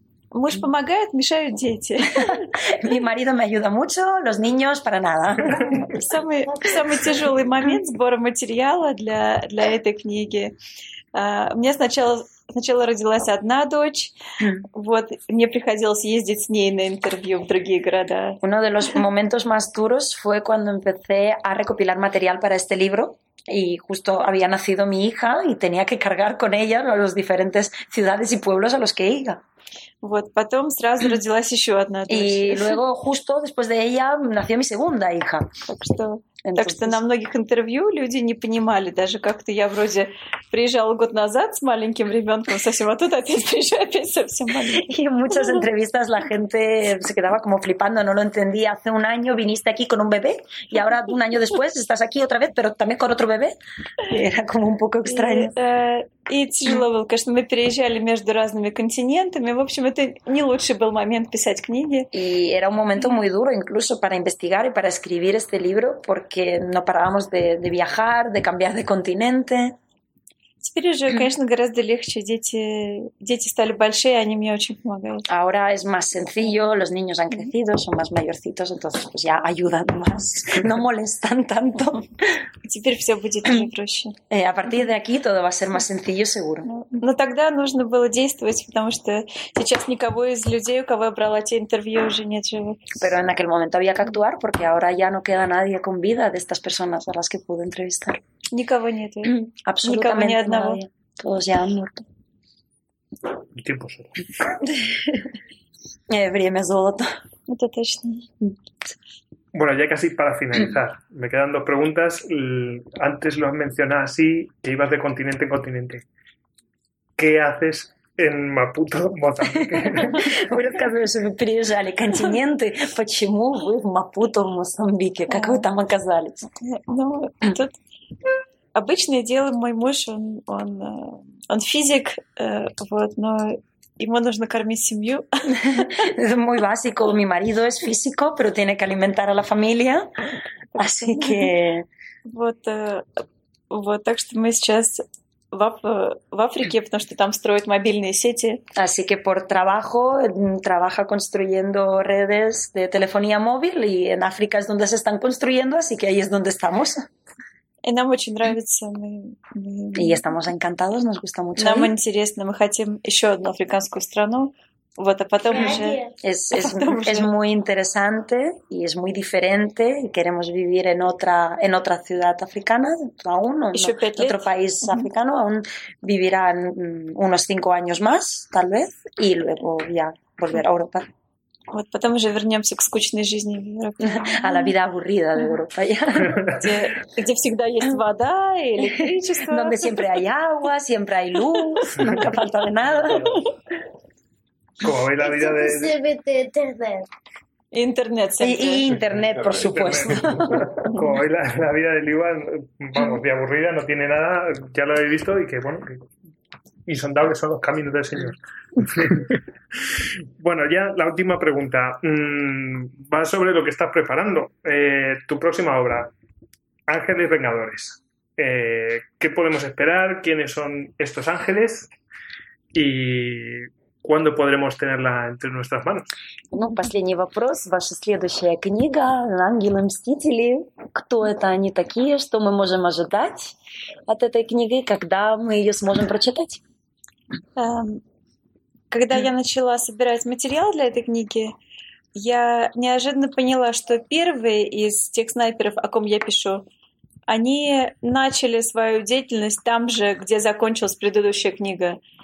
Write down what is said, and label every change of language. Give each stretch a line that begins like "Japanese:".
Russian: Муж помогает, мешают дети.
Spanish: Mi marido me ayuda mucho, los niños para nada.
Russian: Самый тяжелый момент сбора материала для этой книги. У меня сначала родилась одна дочь, вот мне приходилось ездить с ней на интервью в другие города.
Spanish: Uno de los momentos más duros fue cuando empecé a recopilar material para este libro y justo había nacido mi hija y tenía que cargar con ella a los diferentes ciudades y pueblos a los que iba.
Russian: Вот потом сразу родилась еще одна дочь. И
Spanish: luego justo después de ella nació mi segunda hija.
Russian: Так что на многих интервью люди не понимали, даже как-то я вроде приезжала год назад с маленьким ребенком совсем, а тут опять приезжаю, опять совсем маленький. И в
Spanish: muchas entrevistas la gente se quedaba como flipando, no lo entendía. Hace un año viniste aquí con un bebé y ahora un año después estás aquí otra vez, pero también con otro bebé. Era como un poco extraño.
Russian: И тяжело было, конечно, мы переезжали между разными континентами. В общем, это не лучший был момент писать книги.
Spanish: И era un momento muy duro incluso para investigar y para escribir este libro, porque no parábamos de viajar, de cambiar de continente.
Russian: Теперь уже, конечно, гораздо легче. Дети стали большие, они мне очень помогают.
Spanish: Ahora es más sencillo, los niños han crecido, son más mayorcitos, entonces pues ya ayudan más, no molestan tanto.
Russian: Теперь все будет мне проще.
Spanish: A partir de aquí todo va a ser más sencillo, seguro.
Russian: Но тогда нужно было действовать, потому что сейчас никого из людей, у кого я брала те интервью, уже нет живых.
Spanish: Pero en aquel momento había que actuar, porque ahora ya no queda nadie con vida de estas personas a las que pude entrevistar.
Russian: Никого нет. Абсолютно ни одного.
Spanish: Todos ya han muerto. Tiempo solo.
Russian: Время золото. Это точно.
Spanish: Bueno, ya casi para finalizar, me quedan dos preguntas. Antes lo has mencionado así, que ibas de continente en continente. ¿Qué haces en Maputo, Mozambique?
Russian: Вы рассказывали, что вы переезжали континенты. Почему вы в Мапуто, Мозамбике? Как вы там оказались? Ну, тут обычное дело, мой муж, он физик, вот, но ему нужно кормить семью. Это
Spanish: muy básico. Mi marido es físico, pero tiene que alimentar a la familia. Así que...
Russian: Вот, так что мы сейчас... В Африке, потому что там строят мобильные сети.
Spanish: Así que por trabajo, trabaja construyendo redes de telefonía móvil y en África es donde se están construyendo, así que ahí es donde estamos.
Russian: И нам очень нравится.
Spanish: Y estamos encantados, nos gusta mucho.
Russian: Нам интересно, мы хотим еще одну африканскую страну. Вот, а потом уже...
Spanish: Es muy interesante y es muy diferente y queremos vivir en otra ciudad africana, aún no, otro país africano, aún vivirán unos 5 años más, tal vez, y luego ya volver a Europa.
Russian: Вот, потом уже вернемся к скучной жизни в Европе.
Spanish: A la vida aburrida de Europa.
Russian: Где всегда есть вода и электричество.
Spanish: Donde siempre hay agua, siempre hay luz, nunca falta de nada. Como veis, la vida de... Internet. Internet, por supuesto. Como veis, la vida de Liwa, vamos, de aburrida, no tiene nada, ya lo habéis visto, y que, bueno, que insondables son los caminos del Señor. Bueno, ya la última pregunta. Va sobre lo que estás preparando. Tu próxima obra, Ángeles Vengadores. ¿Qué podemos esperar? ¿Quiénes son estos ángeles? Y... ¿Cuándo podremos tenerla entre nuestras manos?
Russian: Ну, последний вопрос. Ваша следующая книга «Ангелы-мстители». Кто это они такие? Что мы можем ожидать от этой книги? Когда мы ее сможем прочитать? Когда я начала собирать материал для этой книги, я неожиданно поняла, что первые из тех снайперов, о ком я пишу, они начали свою деятельность там же, где закончилась предыдущая книга.